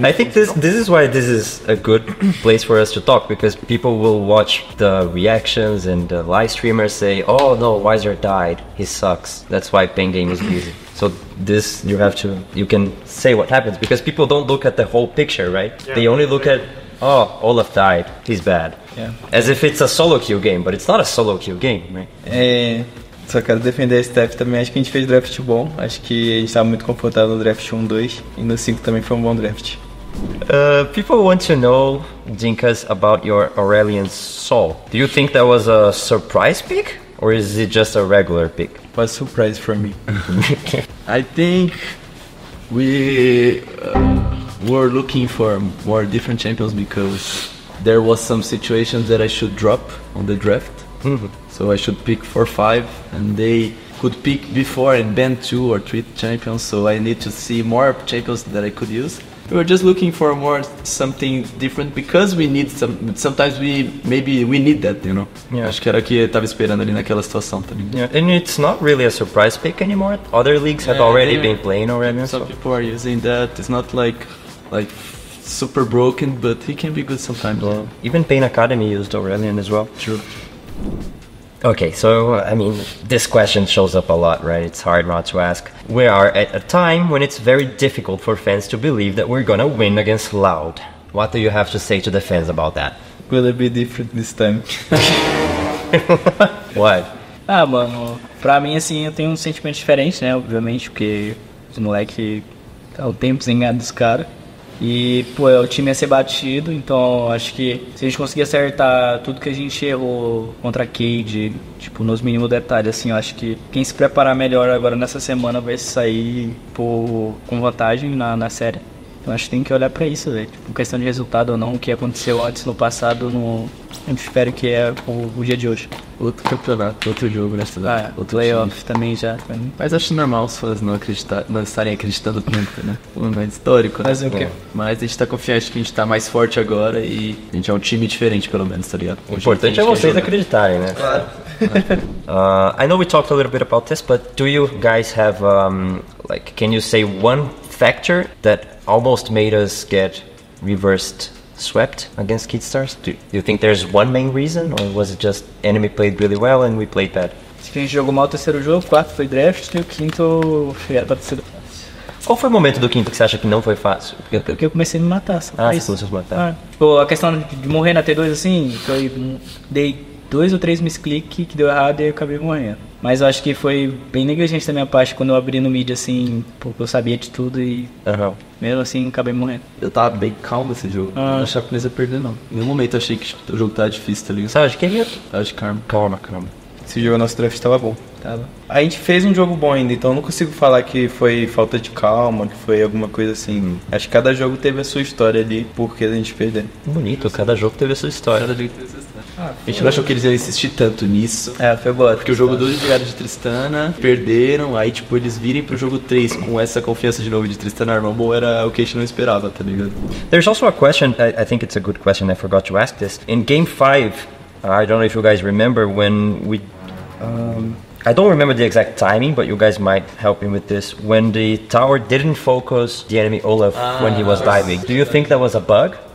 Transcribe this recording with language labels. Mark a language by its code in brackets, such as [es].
[en] I think this is why this is a good place for us to talk, because people will watch the reactions and the live streamers say, oh no, Wiser died. He sucks. That's why Pain Game is busy. So this, you can say what happens, because people don't look at the whole picture, right? Yeah, they only look at, oh, Olaf died, he's bad. Yeah. As if it's a solo queue game, but it's not a solo queue game, right? [pt] É, só quero defender a Steph também. Acho que a gente fez draft bom. Acho que a gente estava muito confortável no draft 1-2. E no 5 também foi um bom draft. [en] People want to know, Dinkas, about your Aurelion Sol. Do you think that was a surprise pick? Or is it just a regular pick? It was a surprise for me. I think we were looking for more different champions because there was some situations that I should drop on the draft. Mm-hmm. So I should pick 4-5 and they could pick before and ban 2 or 3 champions. So I need to see more champions that I could use. We were just looking for more something different because we need some. Sometimes we maybe we need that, you know. Yeah. [pt] Acho que era o que estava esperando ali naquela situação também. [en] Yeah. And it's not really a surprise pick anymore. Other leagues have already been playing already. Some people are using that. It's not like super broken, but he can be good sometimes. Well, even Pain Academy used Aurelion as well. True. Okay, so, I mean, this question shows up a lot, right? It's hard not to ask. We are at a time when it's very difficult for fans to believe that we're gonna win against Loud. What do you have to say to the fans about that? Will it be different this time? What? [pt] Ah, mano, pra mim, assim, eu tenho um sentimento diferente, né? Obviamente, porque os moleques tá o tempo zingado dos caras. E, pô, o time ia ser batido, então acho que se a gente conseguir acertar tudo que a gente errou contra a Cade, tipo, nos mínimos detalhes, assim, eu acho que quem se preparar melhor agora nessa semana vai sair, pô, com vantagem na série. Então acho que tem que olhar pra isso, velho. Tipo, questão de resultado ou não, o que aconteceu antes no passado, no... eu espero que é o dia de hoje. Outro campeonato, outro jogo, né? Outro playoff time. Também já. Mas acho normal os fãs não estarem acreditando tanto, né? Um momento histórico, né? Mas o quê? Mas a gente tá confiante que a gente tá mais forte agora e a gente é um time diferente, pelo menos, tá ligado? O importante é vocês acreditarem, né? Claro. [en] I know we talked a little bit about this, but do you guys have, like, can you say one factor that almost made us get reversed? Swept against Kid Stars? Do you think there's one main reason, or was it just enemy played really well and we played bad? [pt] Se a gente jogou mal o terceiro jogo, o quarto foi draft, e o quinto era pra ter sido fácil. Qual foi o momento do quinto que você acha que não foi fácil? Porque eu comecei a me matar, sabe? Ah, você começou a se matar. Ah, tipo, a questão de morrer na T2, assim, foi. Dei 2 ou 3 misclick que deu errado e eu acabei morrendo. Mas eu acho que foi bem negligente da minha parte quando eu abri no mid, assim, porque eu sabia de tudo e... Uhum. Mesmo assim, acabei morrendo. Eu tava bem calmo nesse jogo. Ah. Não achava que eu não ia perder, não. Em nenhum momento eu achei que o jogo tava difícil, tá ligado? Sabe, acho que é eu. Tava de karma. Calma, caramba. Esse jogo, nosso draft tava bom. Tava. A gente fez um jogo bom ainda, então eu não consigo falar que foi falta de calma, que foi alguma coisa assim. Acho que cada jogo teve a sua história ali, porque a gente perdeu. Bonito, cada jogo teve a sua história. Cada jogo teve a sua história. A gente não achou que eles iam insistir tanto nisso. É, foi boa. Porque o jogo 2 viraram de Tristana, perderam, aí tipo, eles virem pro jogo 3 com essa confiança de novo de Tristana Armambo, era o que a gente não esperava, tá ligado? [en] There's also a question, I think it's a good question, I forgot to ask this. In game 5, I don't know if you guys remember when we... I don't remember the exact timing, but you guys might help me with this. When the tower didn't focus the enemy Olaf when he was diving, do you think that was a bug?